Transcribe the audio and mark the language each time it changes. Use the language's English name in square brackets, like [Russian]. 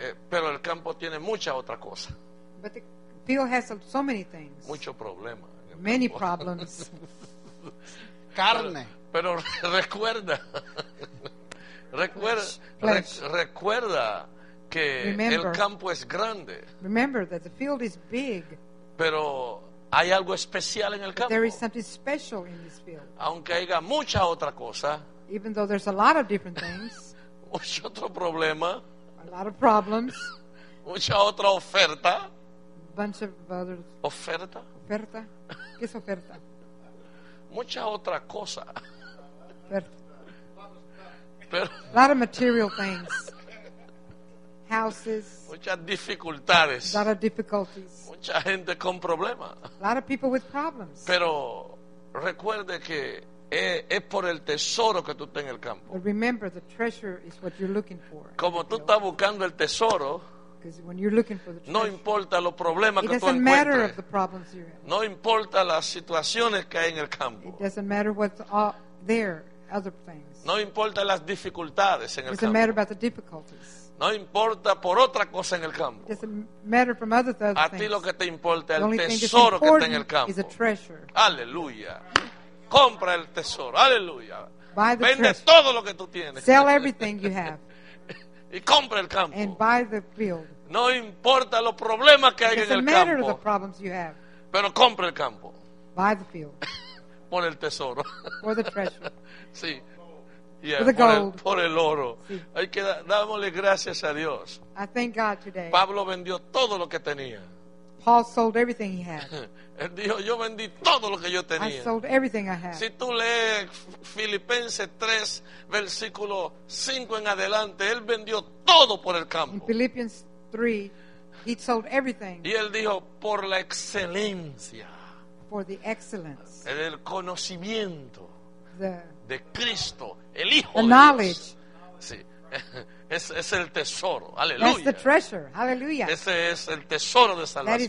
[Spanish] Pero el campo tiene mucha otra cosa. [English] But the field has so many things. [Spanish] Mucho problema. [English] Many problems. [Spanish] Carne. Pero recuerda. recuerda que [English] remember, [Spanish] el campo es grande. [English] Remember that the field is big. [Spanish] Pero hay algo especial en el campo. [English] There is something special in this field. [Spanish] Aunque haya mucha otra cosa. [English] Even though there's a lot of different things. [Spanish] Mucho otro problema. [English] A lot of problems. [Spanish] Mucha otra oferta. [English] Bunch of other. [Spanish] Oferta. Oferta. ¿Qué es oferta? Mucha otra cosa. [English] Pero, a lot of material things. Houses. [Spanish] Muchas dificultades. [English] A lot of difficulties. [Spanish] Mucha gente con problemas. [English] A lot of people with problems. [Spanish] Pero recuerde que es por el tesoro que tú estás en el campo. [English] But remember, the treasure is what you're looking for. [Spanish] Como tú estás buscando el tesoro. [English] Because when you're looking for the treasure, [Spanish] no importa los problemas que tú encuentres. [English] It doesn't matter of the problems you're in. [Spanish] No importa las situaciones que hay en el campo. [English] It doesn't matter what's all there, other things. [Spanish] No importa las dificultades en el campo. [English] It doesn't matter about the difficulties. [Spanish] No importa por otra cosa en el campo. [English] It doesn't matter from other things. [Spanish] A ti lo que te importa es el tesoro que está en el campo. [English] The only thing that's important is a treasure. [Spanish] Aleluya. Compra el tesoro. Aleluya. [English] Buy the [Spanish] Vende [English] treasure. [Spanish] Todo lo que tú tienes. [English] Sell everything you have. [Spanish] Y compra el campo. [English] And buy the field. [Spanish] No importa los problemas que hay en el campo. [English] It doesn't matter the problems you have. [Spanish] Pero compra el campo. [English] Buy the field. [Spanish] Por el tesoro. [English] For the treasure. [Spanish] Sí. [English] Yeah, for the gold. [Spanish] Por el oro. Sí. Hay que dámosle gracias a Dios. [English] I thank God today. [Spanish] Pablo vendió todo lo que tenía. [English] Paul sold everything he had. [Spanish] Él dijo, yo vendí todo lo que yo tenía. [English] I sold everything I had. [Spanish] Si tú lees Filipenses 3, versículo 5 en adelante, él vendió todo por el campo. [English] In Philippians 3, he sold everything. [Spanish] Y él dijo, por la excelencia. [English] For the excellence. [Spanish] El conocimiento. [English] The [Spanish] de Cristo, el Hijo [English] the knowledge. [Spanish] De Dios. [English] Knowledge. [Spanish] Sí. Es el tesoro. Aleluya. [English] That's the treasure. Hallelujah. [Spanish] Ese es el tesoro de salvación.